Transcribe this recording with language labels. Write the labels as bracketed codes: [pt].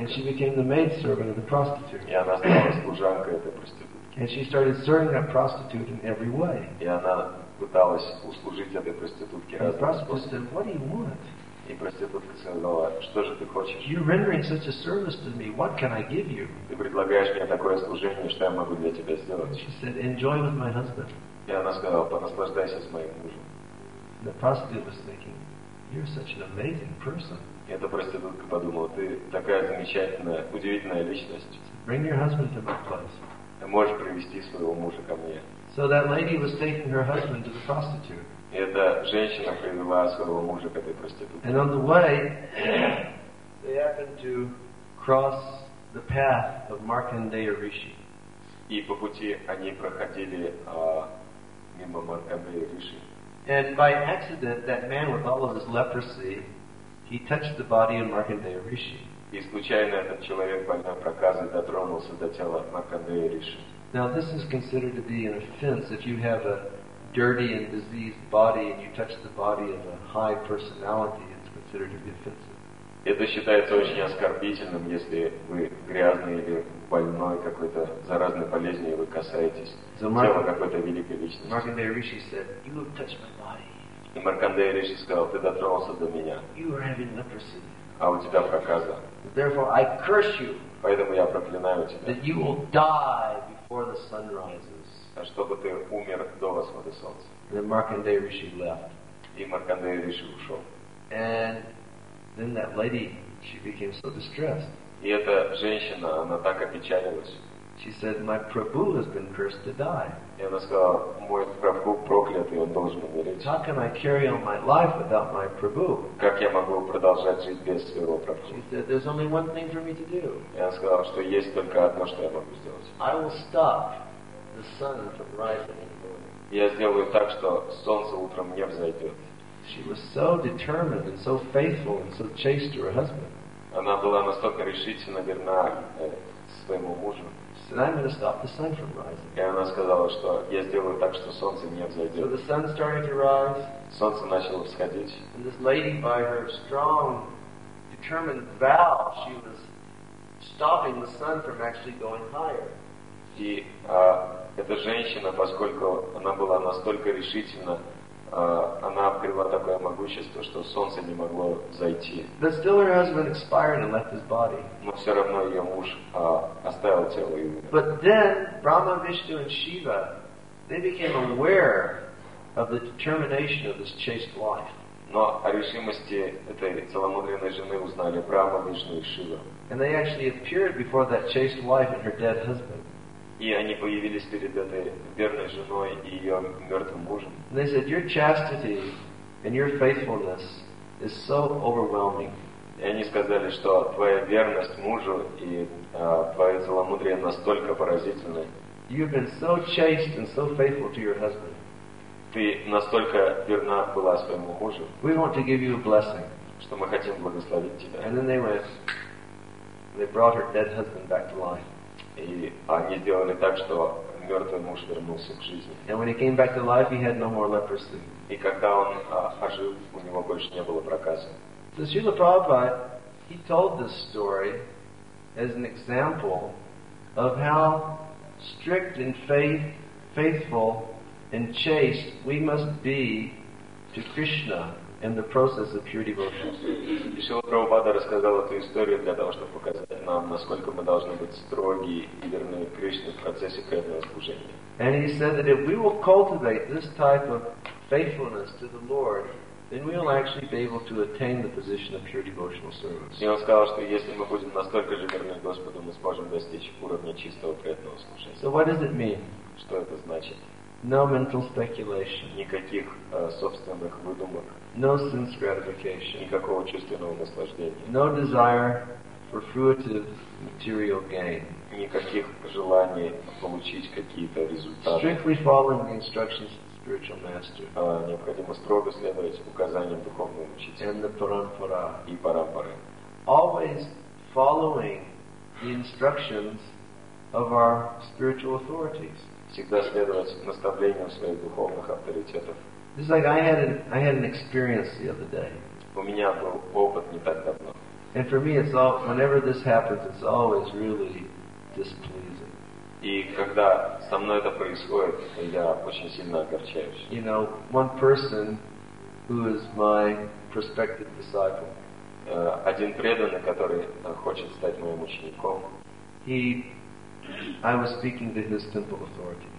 [en] And she became the maidservant of the prostitute. [ru] И она стала служанкой этой проститутки. [en] And she started serving that prostitute in every way. [ru] И она пыталась услужить этой проститутке разным способом. [en] What do you want? [ru] И проститутка сказала: "Что же ты хочешь?" [en] You're rendering such a service to me. What can I give you? [ru] Ты предлагаешь мне такое служение, что я могу для тебя сделать? [en] She said, "Enjoy with my husband." [ru] И она сказала: "Понаслаждайся с моим мужем." [en] The prostitute was thinking, "You're such an amazing person." [ru] Эта проститутка подумала: "Ты такая замечательная, удивительная личность." [en] Bring your husband to my place. [ru] Ты можешь привести своего мужа ко мне. [en] So that lady was taking her husband to the prostitute. [ru] И эта женщина привела своего мужа к этой проститутке. [en] And on the way, they happened to cross the path of Markandeya Rishi. [ru] И по пути они проходили мимо Маркандея Риши. [en] And by accident, that man with all of his leprosy, he touched the body of Markandeya Rishi. [ru] И случайно этот человек, больной проказой, дотронулся до тела Маркандея Риши. [en] Now this is considered to be an offense if you have a dirty and diseased body and you touch the body of a high personality. It's considered to be offensive. [ru] Это считается очень оскорбительным, если вы грязный или больной какой-то заразной болезнью, вы касаетесь тела какой-то великой личности. [en] Markandeya Rishi said, "You have touched my body." [ru] И Маркандея Риши сказал: "Ты дотронулся до меня." [en] You are having leprosy. [ru] А у тебя проказа. [en] Therefore, I curse you. [ru] Поэтому я проклинаю тебя. [en] That you will die before the sun rises. [ru] А чтобы ты умер до восхода солнца. [en] Then Markandeya Rishi left. [ru] И Маркандея Риши ушел. [en] And then that lady, she became so distressed. [ru] И эта женщина, она так опечалилась. [en] She said, "My Prabhu has been cursed to die." [ru] И она сказала: "Мой Прабху проклят, и он должен умереть." [en] How can I carry on my life without my Prabhu? [ru] Как я могу продолжать жить без своего Прабху? [en] She said, "There's only one thing for me to do." [ru] И она сказала, что есть только одно, что я могу сделать. [en] I will stop the sun from rising in the morning. [ru] Я сделаю так, что солнце утром не взойдет. [en] She was so determined and so faithful and so chaste to her husband. [ru] Она была настолько решительно верна своему мужу. [en] And I'm going to stop the sun from rising. [ru] И она сказала, что я сделаю так, что солнце не взойдет. [en] So the sun started to rise. [ru] Солнце начало всходить. [en] And this lady, by her strong, determined vow, she was stopping the sun from actually going higher. [ru] И эта женщина, поскольку она была настолько решительна, она обрела такое могущество, что солнце не могло зайти. [en] But still her husband expired and left his body. [ru] Но все равно ее муж оставил тело и умер. [en] But then Brahma, Vishnu and Shiva, they became aware of the determination of this chaste wife. [ru] Но о решимости этой целомудренной жены узнали Брахма, Вишну и Шива. [en] And they actually appeared before that chaste wife and her dead husband. [ru] И они появились перед этой верной женой и ее мертвым мужем. [en] They said, "Your chastity and your faithfulness is so overwhelming." [ru] И они сказали, что твоя верность мужу и твоя целомудрие настолько поразительны. [en] You've been so chaste and so faithful to your husband. [ru] Ты настолько верна была своему мужу. [en] We want to give you a blessing. [ru] Что мы хотим благословить тебя. [en] And then they went. They brought her dead husband back to life. [ru] И они сделали так, что мертвый муж вернулся к жизни. [en] And when he came back to life, he had no more leprosy. [ru] И когда он ожил, у него больше не было проказа. [en] So Srila Prabhupada, he told this story as an example of how strict in faith, faithful, and chaste we must be to Krishna in the process of pure devotion. [ru] И Шрила Прабхупада рассказал эту историю для того, чтобы показать нам, насколько мы должны быть строги и верны Кришне в процессе преданного служения. [en] And he said that if we will cultivate this type of faithfulness to the Lord, then we will actually be able to attain the position of pure devotional service. [ru] И он сказал, что если мы будем настолько же верны Господу, мы сможем достичь уровня чистого преданного служения. [en] So what does it mean? [ru] Что это значит? [en] No mental speculation. [ru] Никаких собственных выдумок. [en] No sense gratification. [ru] Никакого чувственного наслаждения. [en] No desire for fruitive material gain. [ru] Никаких желаний получить какие-то результаты. [en] Strictly following the instructions of the spiritual master. [ru] Необходимо строго следовать указаниям духовного учителя. [en] And the parampara. [ru] И парампары. [en] Always following the instructions of our spiritual authorities. [ru] Всегда следовать наставлениям своих духовных авторитетов. [en] This is like I had an experience the other day. [ru] У меня был опыт не так давно. [en] And for me, it's all whenever this happens, it's always really displeasing. [ru] И когда со мной это происходит, я очень сильно огорчаюсь. [en] You know, one person who is my prospective disciple. [ru] Один преданный, который хочет стать моим учеником. [en] I was speaking to his temple authority.